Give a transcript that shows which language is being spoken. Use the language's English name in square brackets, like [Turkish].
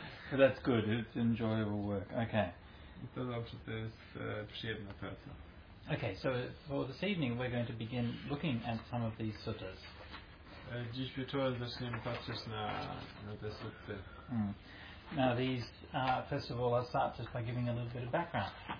[English] But that's good, it's enjoyable work. Okay. [Polish] I to dobrze, to jest przyjemna praca. [English] Okay, so for this evening we're going to begin looking at some of these suttas. [Polish] Dziś wieczorem zaczniemy patrzeć na te sutry. [English] Now these, first of all, I'll start just by giving a little bit of background.